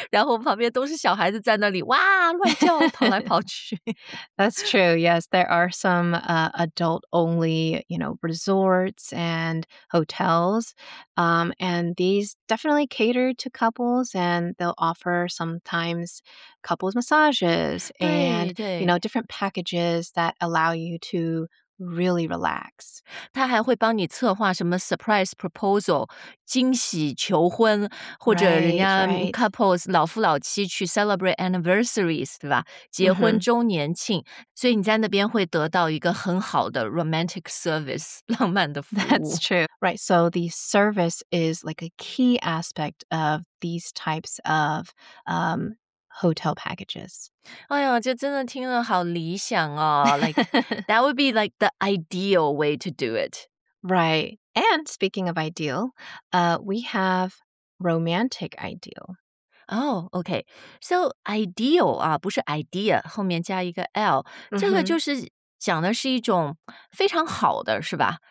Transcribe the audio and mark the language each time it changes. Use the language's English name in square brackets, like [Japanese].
[Chinese] 然后旁边都是小孩子在那里哇乱叫跑来跑去。 [English] That's true. Yes, there are some adult only, you know, resorts and hotels. And these definitely cater to couples, and they'll offer sometimes couples massages and, you know, different packages that allow you to really relax. [Chinese] 他还会帮你策划什么 [English] surprise proposal, [Chinese] 惊喜求婚, 或者人家 couples 老夫老妻去 [English] celebrate anniversaries, [Chinese] 对吧? 结婚周年庆, 所以你在那边会得到一个很好的 [English] romantic service, [Chinese] 浪漫的服务。 [English] That's true. Right, so the service is like a key aspect of these types of hotel packages. [Chinese] 哎呀，这真的听了好理想哦！ [English] Like that would be like the ideal way to do it. Right. And speaking of ideal, we have romantic ideal. Oh, okay. So ideal [Chinese] 啊，不是 idea 后面加一个 l， 这个就是讲的是一种非常好的，是吧？